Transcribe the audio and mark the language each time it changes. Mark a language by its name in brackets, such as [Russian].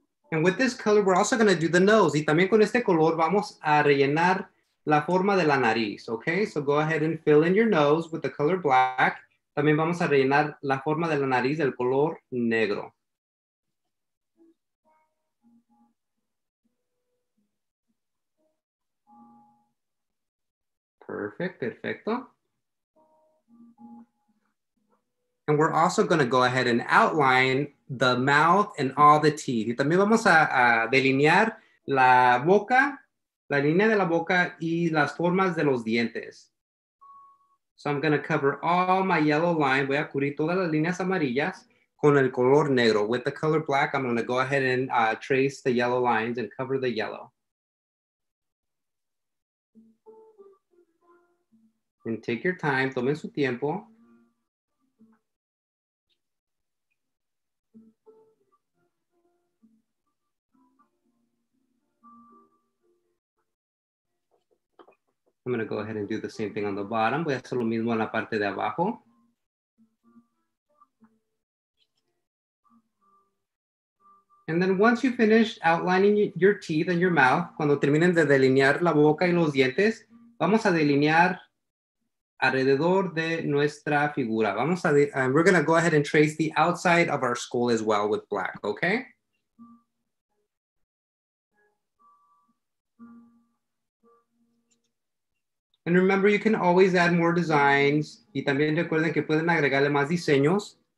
[English] And with this color, we're also going to do the nose. [Spanish] Y también con este color, vamos a rellenar la forma de la nariz, okay? [English] So go ahead and fill in your nose with the color black. [Spanish] También vamos a rellenar la forma de la nariz del color negro. [English] Perfect, perfecto. And we're also going to go ahead and outline the mouth and all the teeth. [Spanish] Y también vamos a delinear la boca, la línea de la boca y las formas de los dientes. [English] So I'm gonna cover all my yellow line. [Spanish] Voy a cubrir todas las líneas amarillas con el color negro. [English] With the color black, I'm gonna go ahead and trace the yellow lines and cover the yellow. And take your time, [Spanish] tomen su tiempo. [English] I'm gonna go ahead and do the same thing on the bottom. [Spanish] Voy a hacer lo mismo en la parte de abajo. [English] And then once you finish outlining your teeth and your mouth, [Spanish] cuando terminen de delinear la boca y los dientes, vamos a delinear alrededor de nuestra figura. Vamos a, [English] we're gonna go ahead and trace the outside of our skull as well with black, okay? And remember, you can always add more designs. [Spanish] Y también recuerden que pueden agregarle más diseños.